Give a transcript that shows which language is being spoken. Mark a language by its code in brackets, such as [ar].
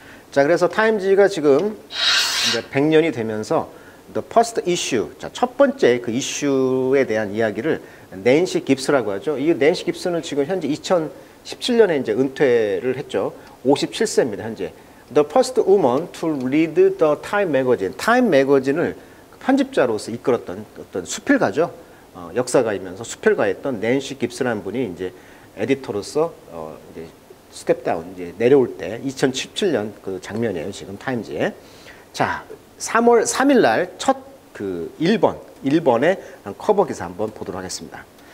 [ko] 자, 그래서 타임즈가 지금 이제 100년이 되면서 [en] the first issue, [ko] 자, 첫 번째 그 이슈에 대한 이야기를 낸시 깁스라고 하죠. 이 낸시 깁스는 지금 현재 2017년에 이제 은퇴를 했죠. 57세입니다, 현재. [en] The first woman to lead the Time Magazine. [ko] Time Magazine을 편집자로서 이끌었던 어떤 수필가죠. 역사가이면서 수필가였던 낸시 깁스라는 분이 이제 에디터로서 이제 스텝다운, 이제 내려올 때 2017년 그 장면이에요, 지금 타임즈에. 자, 3월 3일 날 첫 그 1번의 커버 기사 한번 보도록 하겠습니다.